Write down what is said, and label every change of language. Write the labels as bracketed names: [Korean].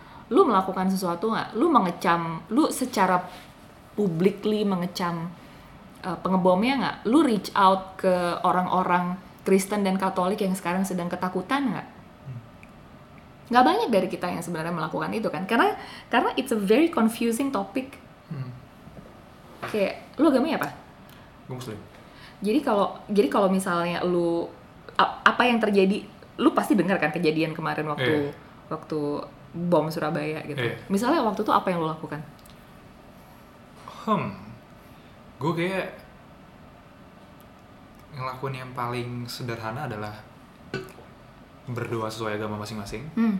[Indonesian] Lu melakukan sesuatu gak? Lu mengecam, lu secara publicly mengecam pengebomnya nggak? Lu reach out ke orang-orang Kristen dan Katolik yang sekarang sedang ketakutan nggak? Nggak banyak dari kita yang sebenarnya melakukan itu kan? Karena [English] it's a very confusing topic. [Indonesian] Kayak, lu agamanya apa? Gue Muslim. Jadi kalau misalnya lu apa yang terjadi, lu pasti dengar kan kejadian kemarin waktu waktu bom Surabaya gitu. Misalnya waktu itu apa yang lu lakukan? Gue kayak ngelakuin yang paling sederhana adalah berdoa sesuai agama masing-masing.